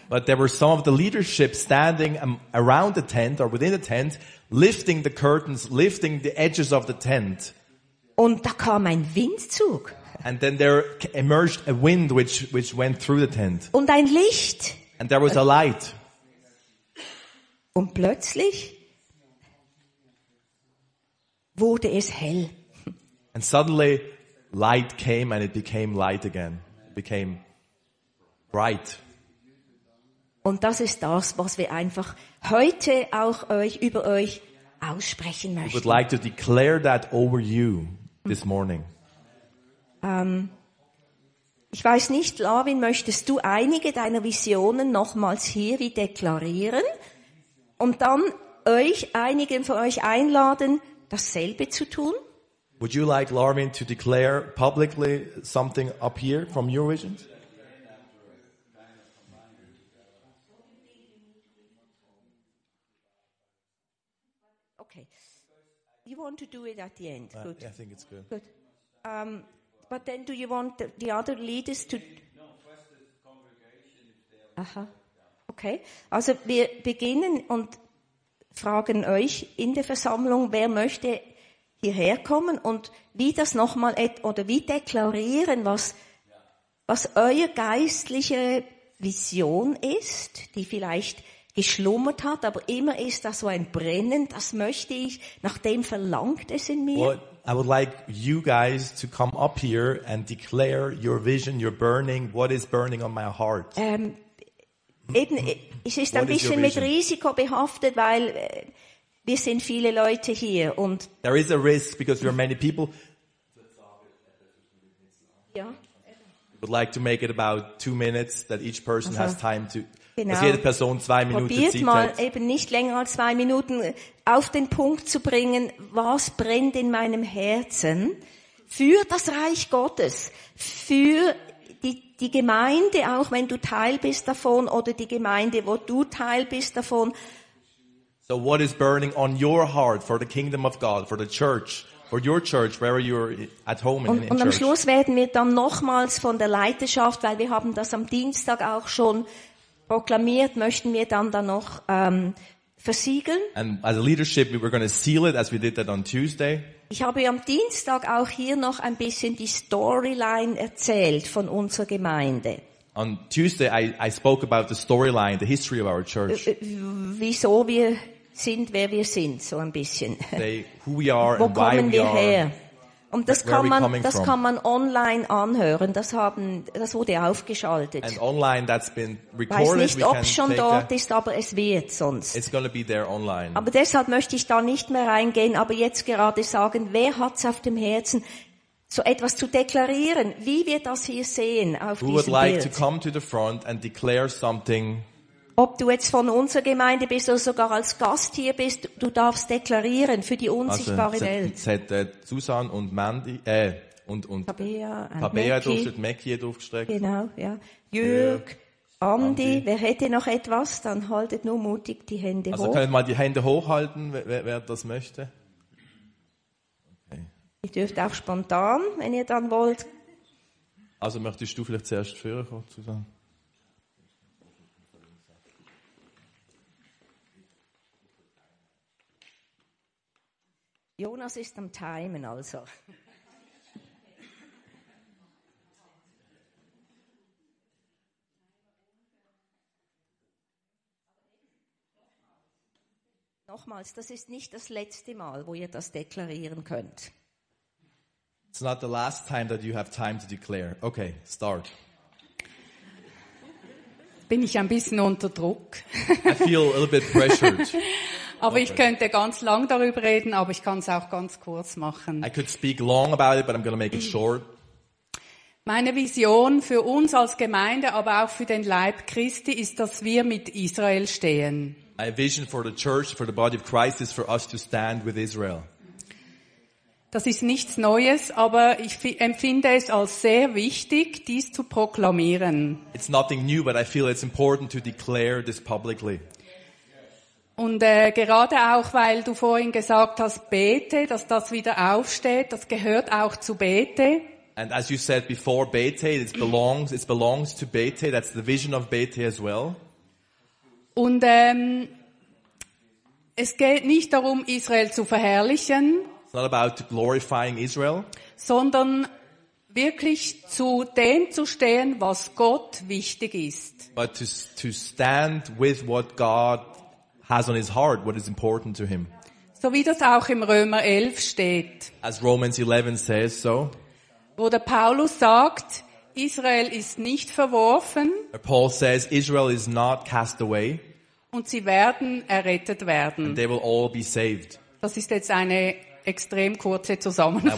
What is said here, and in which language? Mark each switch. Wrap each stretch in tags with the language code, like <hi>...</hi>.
<en>But there were some of the leadership standing around the tent or within the tent, lifting the curtains, lifting the edges of the tent.</en> <de>Und da kam ein Windzug.</de> <en>And then there emerged a wind which went through the tent.</en> <de>Und ein Licht.</de> <en>And there was a light.</en> <de>Und plötzlich wurde es hell.</de> <en>And suddenly light came and it became light again. It became bright.</en> <de>Und das ist das, was wir einfach heute auch euch über euch aussprechen möchten.</de> <en>We would like to declare that over you this morning.</en> <de>Ich weiß nicht, Larwin, möchtest du einige deiner Visionen nochmals hier wie deklarieren und dann einigen von euch einladen, dasselbe zu tun?</de> <en>Would you like Larwin to declare publicly something up here from your visions? Okay. You want to do it at the end. Good. Yeah, I think it's good. Good. But then do you want the other leaders to... Aha. Okay.</en> <de>Also wir beginnen und fragen euch in der Versammlung, wer möchte hierher kommen und wie das nochmal oder wie deklarieren, was eure geistliche Vision ist, die vielleicht geschlummert hat, aber immer ist das so ein Brennen, das möchte ich, nach dem verlangt es in mir.</de> <en>What? I would like you guys to come up here and declare your vision, your burning, what is burning on my heart.</en> <de>Eben, es ist ein bisschen mit Risiko behaftet, weil wir sind viele Leute hier und</de> <en>there is a risk because we are many people.</en> <de>Ja.</de> <en>I would like to make it about 2 minutes that each person has time to.</en> <de>Genau. Dass jede Person 2 Minuten probiert Zeit mal hat. Eben nicht länger als 2 Minuten auf den Punkt zu bringen, was brennt in meinem Herzen für das Reich Gottes, für die Gemeinde, auch wenn du Teil bist davon, oder die Gemeinde, wo du Teil bist davon.</de> <en>So what is burning on your heart for the kingdom of God, for the church, for your church, wherever you're at home in church.</en> <de>Und am Schluss werden wir dann nochmals von der Leiterschaft, weil wir haben das am Dienstag auch schon proklamiert, möchten wir dann da noch versiegeln.</de> <en>And as a leadership, we were going to seal it as we did that on Tuesday.</en> <de>Ich habe am Dienstag auch hier noch ein bisschen die Storyline erzählt von unserer Gemeinde.</de> <en>On Tuesday I spoke about the storyline, the history of our church.</en> <de>Wieso wir sind, wer wir sind, so ein bisschen.</de> <en>Who we are</en> <de>Wo</de> <en>and why</en> <de>kommen wir</de> <en>we</en> <de>her?</de> <en>Are.</en> <de>Und das kann man, das kann man online anhören. Das wurde aufgeschaltet.</de> <en>And online, that's been recorded.</en> <de>Weiß nicht, ob es schon dort ist, aber es wird sonst.</de> <en>It's gonna be there online.</en> <de>Aber deshalb möchte ich da nicht mehr reingehen, aber jetzt gerade sagen, wer hat's auf dem Herzen, so etwas zu deklarieren, wie wir das hier sehen auf diesem Bild.</de> <en>Who would like to come to the front and declare something?</en> <de>Ob du jetzt von unserer Gemeinde bist oder sogar als Gast hier bist, du darfst deklarieren für die unsichtbare Welt. Also, Susan und Mandy, Tabea durchgestreckt, Mackie durchgestreckt. Genau, ja. Jürg, Andi, wer hätte noch etwas? Dann haltet nur mutig die Hände also hoch. Also, könnt ihr mal die Hände hochhalten, wer das möchte? Okay. Ihr dürft auch spontan, wenn ihr dann wollt. Also, möchtest du vielleicht zuerst führen, Susan? Jonas ist am Timen, also. Nochmals, das ist nicht das letzte Mal, wo ihr das deklarieren könnt.</de> <en>It's not the last time that you have time to declare. Okay, start.</en> <de>Bin ich ein bisschen unter Druck?</de> <en>I feel a little bit pressured.</en> <de>Aber ich könnte ganz lang darüber reden, aber ich kann es auch ganz kurz machen.</de> <en>I could speak long about it, but I'm going to make it short.</en> <de>Meine Vision für uns als Gemeinde, aber auch für den Leib Christi, ist, dass wir mit Israel stehen.</de> <en>My vision for the church, for the body of Christ, is for us to stand with Israel.</en> <de>Das ist nichts Neues, aber ich empfinde es als sehr wichtig, dies zu proklamieren.</de> <en>It's nothing new, but I feel it's important to declare this publicly.</en> <de>Und gerade auch, weil du vorhin gesagt hast, bete, dass das wieder aufsteht, das gehört auch zu bete.</de> <en>And as you said before, bete, it belongs to bete, that's the vision of bete as well.</en> <de>Und es geht nicht darum, Israel zu verherrlichen.</de> <en>It's not about glorifying Israel.</en> <de>Sondern wirklich zu dem zu stehen, was Gott wichtig ist.</de> <en>But to stand with what God has on his heart, what is important to him.</en> <de>So wie das auch im Römer 11 steht.</de> <en>As Romans 11 says so.</en> <de>Wo der Paulus sagt, Israel ist nicht verworfen.</de> <en>Paul says, Israel is not cast away.</en> <de>Und sie werden errettet werden.</de> <en>And they will all be saved.</en> <de>Das ist jetzt eine extrem kurze Zusammenfassung.</de>